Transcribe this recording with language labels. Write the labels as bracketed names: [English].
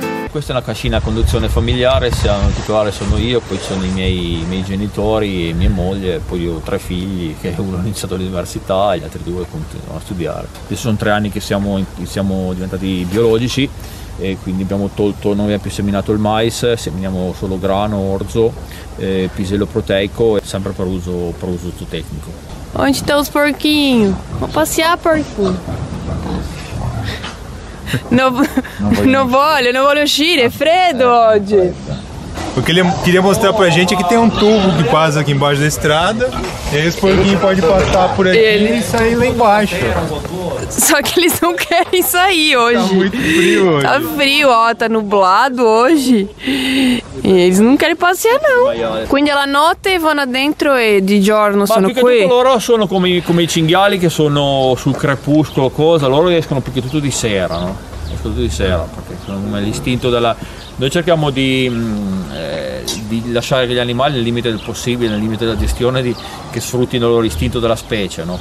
[Italian] Questa è una cascina a conduzione familiare, siamo, il titolare sono io, poi sono i miei genitori, mia moglie, poi io ho tre figli, che uno ha iniziato l'università e gli altri due continuano a studiare. Adesso sono 3 anni che siamo diventati biologici e quindi abbiamo tolto, non abbiamo più seminato il mais, seminiamo solo grano, orzo, pisello proteico, sempre per uso zootecnico. [Portuguese] Onde está os porquinhos? Vou passear, porco. Não vou sair, é frio hoje. O que ele queria mostrar pra gente é que tem um tubo que passa aqui embaixo da estrada, e aí os porquinhos podem passar por aqui e sair lá embaixo. Só que eles não querem sair hoje. Tá muito frio hoje. Tá frio, ó, tá nublado hoje. E eles não querem passear, não. [Italian] Quindi alla notte vanno dentro e di giorno sono qui. Ma più che tutto loro sono come i cinghiali che sono sul crepuscolo, cosa? Loro escono più che tutto di sera, no? Escono tutto di sera, perché sono come l'istinto della. Noi cerchiamo di lasciare gli animali nel limite del possibile, nel limite della gestione, che sfruttino il loro istinto della specie, no?